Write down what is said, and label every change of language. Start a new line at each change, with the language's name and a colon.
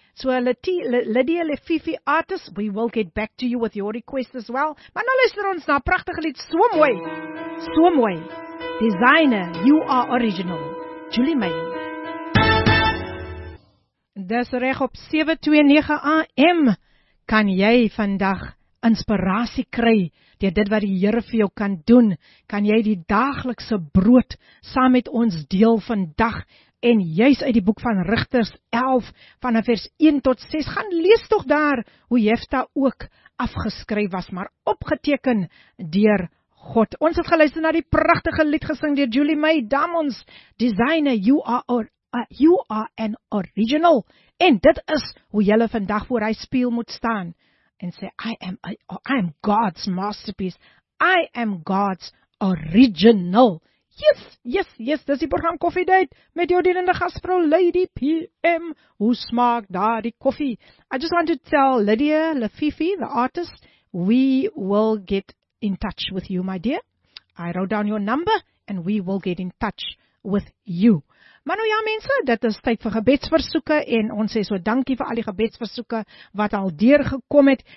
English: So Lydia Lefifi Artis, we will get back to you with your request as well.
Afrikaans: Maar nou luister ons na 'n pragtige lied, so mooi. So mooi.
English: Designer, you are original. Julie May.
Afrikaans: Dis reg op 729 AM. Kan jy vandag inspirasie kry deur dit wat die Here vir jou kan doen? Kan jy die daaglikse brood saam met ons deel vandag? En juis uit die boek van Rigters 11 vanaf vers 1 tot 6 gaan lees tog daar hoe Jefta ook afgeskryf was, maar opgeteken deur God. Ons het geluister na die pragtige lied gesing deur Julie May Damons,
English: Designer, you are our you are an original.
Afrikaans: En dit is hoe jy vandag voor hy spieël moet staan en sê
English: I am God's masterpiece. I am God's original.
Afrikaans: Yes, dis die program Koffiedate met jou dienende gasvrou Lady PM. Hoe smaak daardie koffie?
English: I just want to tell Lydia Lefifi, the artist, we will get in touch with you, my dear. I wrote down your number and we will get in touch with you.
Afrikaans: Maar nou ja mense, dit is tyd vir gebedsversoeke en ons sê so dankie vir al die gebedsversoeke wat al deurgekom het.